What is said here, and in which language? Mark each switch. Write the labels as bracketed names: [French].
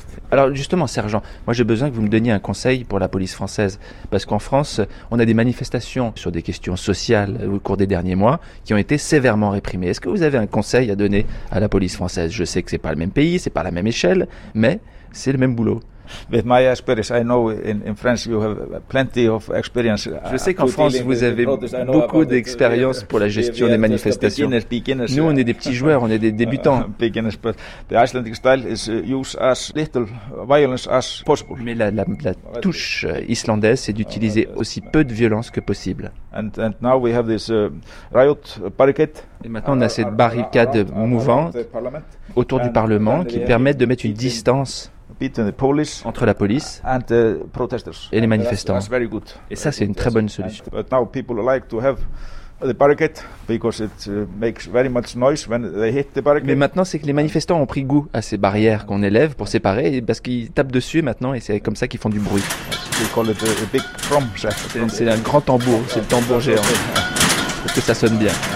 [French] Alors justement, sergent, moi j'ai besoin que vous me donniez un conseil pour la police française. Parce qu'en France, on a des manifestations sur des questions sociales au cours des derniers mois qui ont été sévèrement réprimées. Est-ce que vous avez un conseil à donner à la police française? Je sais que ce n'est pas le même pays, ce n'est pas la même échelle, mais c'est le même boulot. [English] With my experience, I know in France you have plenty of experience. [French] Je sais qu'en France vous avez beaucoup d'expérience pour la gestion des manifestations. [English] Beginners. [French] Nous, on est des petits joueurs, on est des débutants. [English] Beginners, but the Icelandic style is use as little violence as possible. [French] Mais la touche islandaise, c'est d'utiliser aussi peu de violence que possible. [English] And now we have this riot barricade. [French] Et maintenant, on a cette barricade mouvante autour du Parlement qui permet de mettre une distance. [English] Between the police [French] entre la police [English] and the protesters [French] et les manifestants. [English] That's very good. [French] Et ça, c'est une très bonne solution. [English] But now people like to have the barricade because it makes very much noise when they hit the barricade. [French] Mais maintenant, c'est que les manifestants ont pris goût à ces barrières qu'on élève pour séparer, parce qu'ils tapent dessus maintenant et c'est comme ça qu'ils font du bruit. [English] We call it a big drum. [French] C'est un grand tambour, c'est le tambour géant. Parce que ça sonne bien.